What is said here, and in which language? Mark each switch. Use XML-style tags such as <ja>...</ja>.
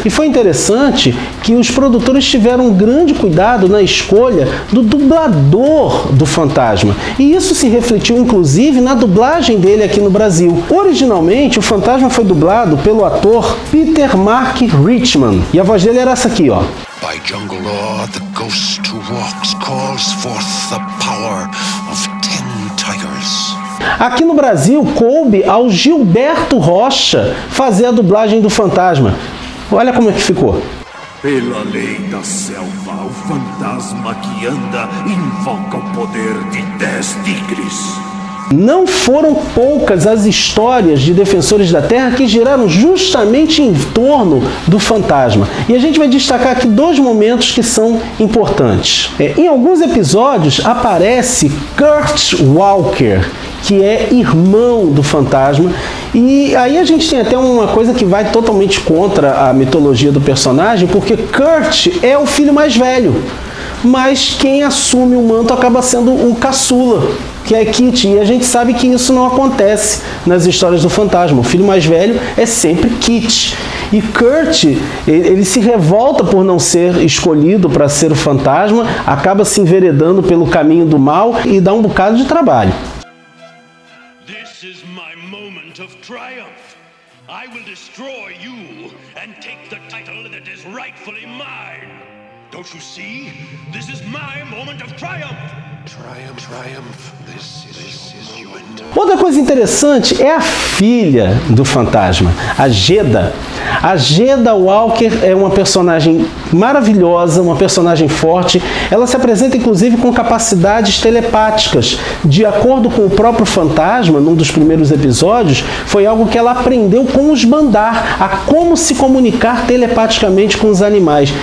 <pt>E foi interessante que os produtores tiveram um grande cuidado na escolha do dublador do Fantasma. E isso se refletiu, inclusive, na dublagem dele aqui no Brasil. Originalmente, o Fantasma foi dublado pelo ator Peter Mark Richman. E a voz dele era essa aqui, ó.</pt> <en>By Jungle Law, the ghost who walks calls forth the power of 10 tigers.</en> <pt>Aqui no Brasil, coube ao Gilberto Rocha fazer a dublagem do Fantasma. Olha como é que ficou. Pela lei da selva, o fantasma que anda invoca o poder de 10 tigres. Não foram poucas as histórias de defensores da Terra que giraram justamente em torno do fantasma. E a gente vai destacar aqui dois momentos que são importantes. Em alguns episódios aparece Kurt Walker, que é irmão do fantasma. E aí a gente tem até uma coisa que vai totalmente contra a mitologia do personagem, porque Kurt é o filho mais velho. Mas quem assume o manto acaba sendo o caçula, que é Kit. E a gente sabe que isso não acontece nas histórias do fantasma. O filho mais velho é sempre Kit. E Kurt, ele se revolta por não ser escolhido para ser o fantasma, acaba se enveredando pelo caminho do mal e dá um bocado de trabalho.</pt> <en>This is my moment of triumph. I will destroy you and take the title that is rightfully mine. Don't you see? This is my moment of triumph. Triumph, triumph. This is your moment.</en> <pt>Outra coisa interessante é a filha do fantasma, a Jeda. A Jeda Walker é uma personagem maravilhosa, uma personagem forte. Ela se apresenta, inclusive, com capacidades telepáticas. De acordo com o próprio fantasma, num dos primeiros episódios, foi algo que ela aprendeu com os Bandar, a como se comunicar telepaticamente com os animais.</pt>